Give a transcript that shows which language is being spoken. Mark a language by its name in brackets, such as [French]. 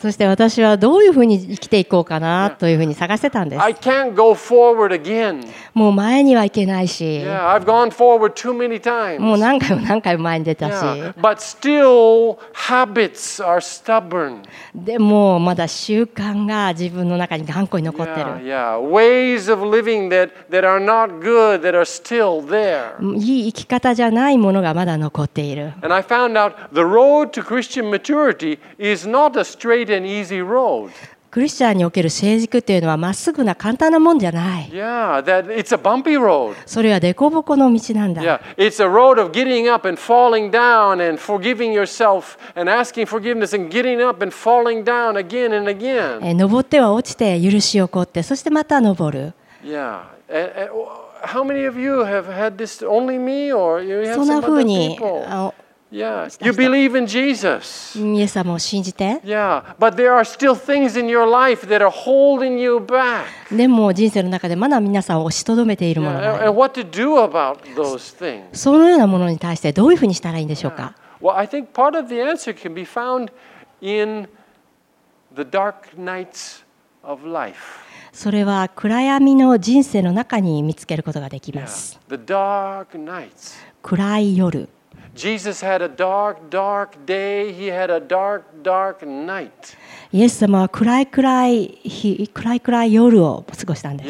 [Japanese] そして私はどういうふうに生きていこうかなというふうに探してたんです。 [English] I can't go forward again. [Japanese] もう前には行けないし。 [English] Yeah, I've gone forward too many times. [Japanese] もう何回も何回も前に出たし、yeah. [English] But still, habits are stubborn. [Japanese] でもまだ習慣が自分の中に頑固に残ってる。 yeah, yeah. [English] Ways of living that are not good that are still there. [Japanese] いい生き方じゃないものがまだ残っている。 [English] And I found out the road to Christian maturity is not a straight and easy road. [Japanese] クリスチャンにおける成熟というのはまっすぐな簡単なもんじゃない。 Yeah, それは凸凹の道なんだ。 [English] Yeah, it's a road of getting up and falling down and forgiving yourself and asking forgiveness and getting up and falling down again and again. [Japanese] 登っては落ちて許しを請ってそしてまた登る。 [English] Yeah. How many of you have had this? Only me or you have some other people? Yeah, you believe in Jesus. [Japanese] イエス様を信じて。 [English] Yeah, but there are still things in your life that are holding you back. [Japanese] でも人生の中でまだ皆さんを押しとどめているものがある。 [English] And what to do about those things? [Japanese] そのようなものに対してどういうふうにしたらいいんでしょうか。 [English] Well, I think part of the answer can be found in the dark nights of life. [Japanese] それは暗闇の人生の中に見つけることができます。 [English] The dark nights. [Japanese] 暗い夜。 [English] Jesus had a dark, dark day. He had a dark, dark night. [Japanese] イエス様は暗い夜を過ごしたんです。